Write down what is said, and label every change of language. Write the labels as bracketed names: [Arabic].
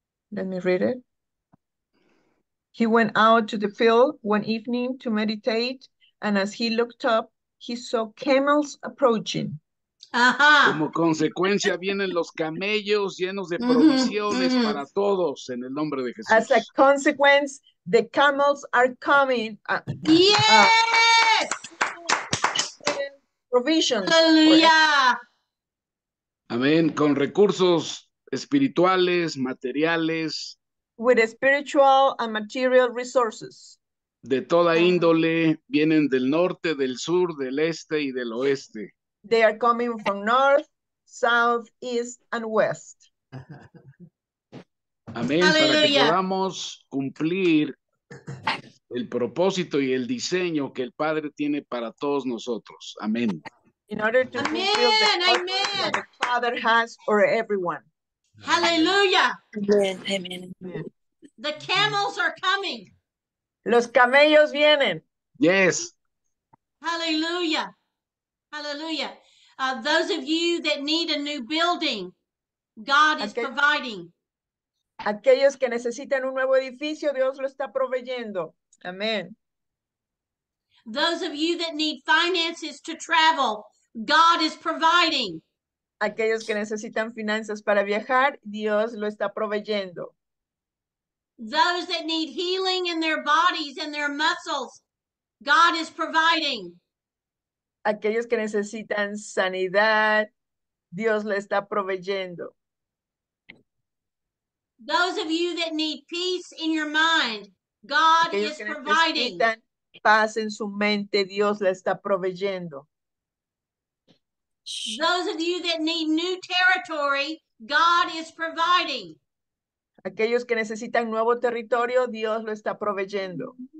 [English] Let me read it. He went out to the field one evening to meditate, and as he looked up, he saw camels approaching. Ajá. [Spanish] Como consecuencia vienen los camellos llenos de provisiones para todos en el nombre de Jesús. [English] As a consequence, the camels are coming. Yes! Provisions. Hallelujah! [Spanish] Amén, con recursos espirituales, materiales. [English] With spiritual and material resources. [Spanish] De toda índole, vienen del norte, del sur, del este y del oeste. [English] They are coming from north, south, east and west. Amén, hallelujah. [Spanish] Para que podamos cumplir el propósito y el diseño que el Padre tiene para todos nosotros. Amén. [English] In order to amen, fulfill the Father has for everyone. Hallelujah. Amen, amen, amen. The camels are coming. [Spanish] Los camellos vienen. [English] Yes. Hallelujah. Hallelujah. Those of you that need a new building, God is providing. [Spanish] Aquellos que necesitan un nuevo edificio, Dios lo está proveyendo. [English] Amen. Those of you that need finances to travel, God is providing. [Spanish] Aquellos que necesitan finanzas para viajar, Dios lo está proveyendo. [English] Those that need healing in their bodies and their muscles, God is providing. [Spanish] Aquellos que necesitan sanidad, Dios lo está proveyendo. [English] Those of you that need peace in your mind, God [Spanish] aquellos [English] is providing. [Spanish] Aquellos que necesitan paz en su mente, Dios lo está proveyendo. [English] Those of you that need new territory, God is providing. [Spanish] Aquellos que necesitan nuevo territorio, Dios lo está proveyendo.